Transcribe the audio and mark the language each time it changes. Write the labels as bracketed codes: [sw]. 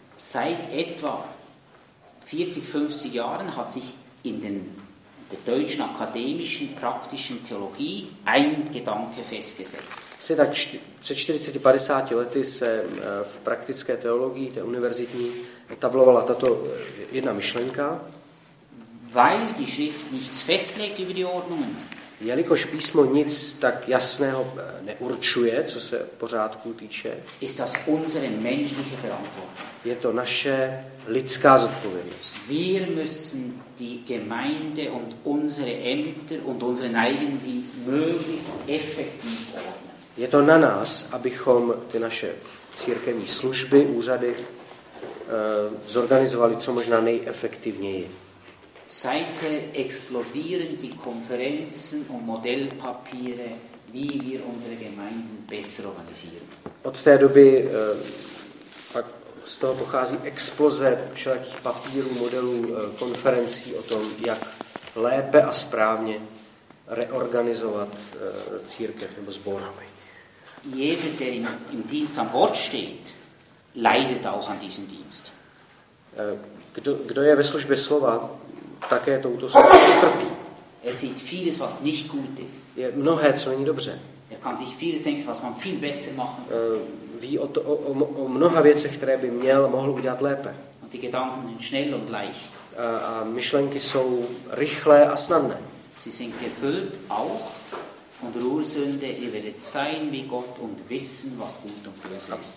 [de] Seit etwa 40-50 Jahren hat sich in der deutschen akademischen praktischen Theologie ein Gedanke festgesetzt. [cs] Se tak před 40-50 lety se v praktické teologii, té univerzitní, etablovala tato jedna myšlenka. [de] Weil die Schrift nichts festlegt über die Ordnungen. [cs] Jelikož písmo nic tak jasného neurčuje, co se pořádku týče, [de] ist das unsere menschliche Verantwortung. [cs] Je to naše lidská zodpovědnost. [de] Wir müssen die Gemeinde und unsere Ämter und unseren Eigendienst möglichst effektiv ordnen. [cs] Je to na nás, abychom ty naše církevní služby, úřady zorganizovali co možná nejefektivněji. [de] Seither explodieren die Konferenzen und Modellpapiere, wie wir unsere Gemeinden besser organisieren. [cs] Od té doby z toho pochází exploze všelijakých papírů, modelů, konferencí o tom, jak lépe a správně reorganizovat církev nebo sbor. [de] Jeder, der im Dienst am Wort steht, leidet auch an diesem Dienst. [cs] Kdo je ve službě slova, také touto službou trpí. [de] Er sieht vieles, was nicht gut ist. [cs] Je mnohé, co není dobře. [de] Er kann sich vieles denken, was man viel besser machen kann. [cs] Ví o mnoha věcech, které by mohl udělat lépe. [de] Und die Gedanken sind schnell und leicht. [cs] A myšlenky jsou rychlé a snadné. [de] Sie sind gefüllt auch von Ruhrsünde, ihr werdet sein wie Gott und wissen, was gut und böse ist.